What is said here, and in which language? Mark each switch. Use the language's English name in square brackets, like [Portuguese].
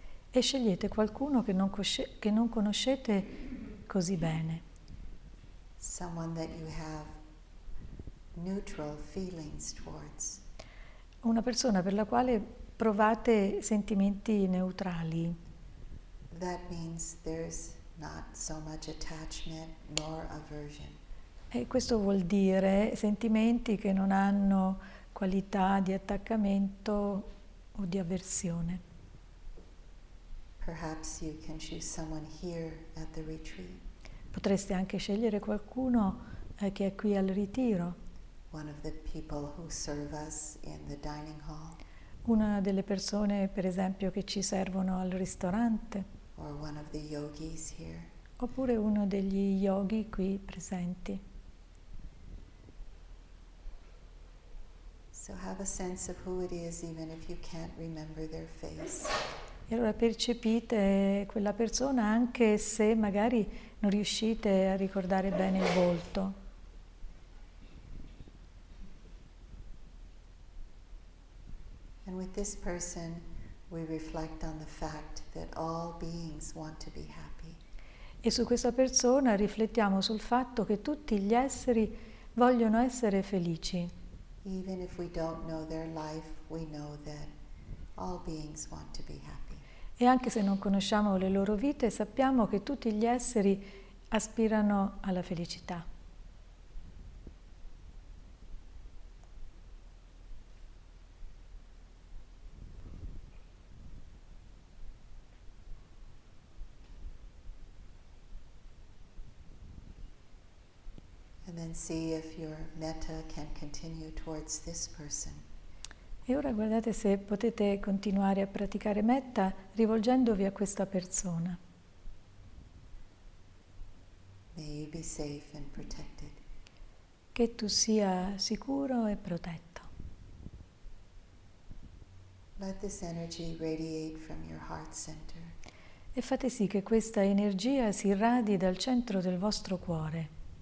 [Italian] E scegliete qualcuno che non conoscete così bene. [English] Someone that you have neutral feelings towards. [Italian] Una persona per la quale provate sentimenti neutrali. [English] That means there's not so much attachment nor aversion. [Italian] E questo vuol dire sentimenti che non hanno qualità di attaccamento o di avversione. [English] Perhaps you can choose someone here at the retreat. [Italian] Potreste anche scegliere qualcuno che è qui al ritiro. [English] One of the people who serve us in the dining hall. [Italian] Una delle persone, per esempio, che ci servono al ristorante. [English] Or one of the yogis here. [Italian] Oppure uno degli yogi qui presenti. [English] So have a sense of who it is, even if you can't remember their face. [Italian] E allora percepite quella persona anche se magari non riuscite a ricordare bene il volto. [English] And with this person, we reflect on the fact that all beings want to be happy. [Italian] E su questa persona riflettiamo sul fatto che tutti gli esseri vogliono essere felici. [English] Even if we don't know their life, we know that all beings want to be happy. [Italian] E anche se non conosciamo le loro vite, sappiamo che tutti gli esseri aspirano alla felicità. [English] And see if your metta can continue towards this person. [Italian] E ora guardate se potete continuare a praticare metta rivolgendovi a questa persona. [English] May you be safe and protected. [Italian] Che tu sia sicuro e protetto. [English] Let this energy radiate from your heart center. [Italian] E fate sì che questa energia si irradi dal centro del vostro cuore.